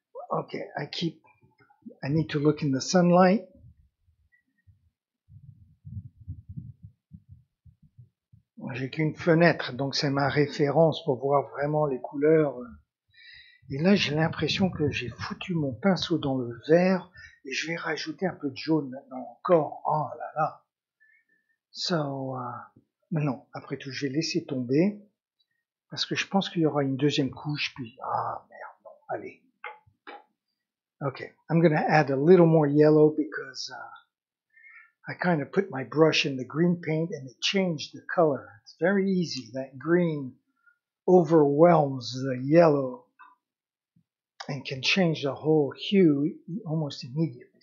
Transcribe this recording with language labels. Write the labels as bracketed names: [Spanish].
[English] Okay, I need to look in the sunlight. [French] j'ai qu'une fenêtre, donc c'est ma référence pour voir vraiment les couleurs. Et là, j'ai l'impression que j'ai foutu mon pinceau dans le vert et je vais rajouter un peu de jaune maintenant encore. Oh là là. Maintenant, après tout, je vais laisser tomber parce que je pense qu'il y aura une deuxième couche. Puis, ah merde, bon, allez. [English] Ok, I'm going to add a little more yellow because I kind of put my brush in the green paint and it changed the color. It's very easy. That green overwhelms the yellow and can change the whole hue almost immediately.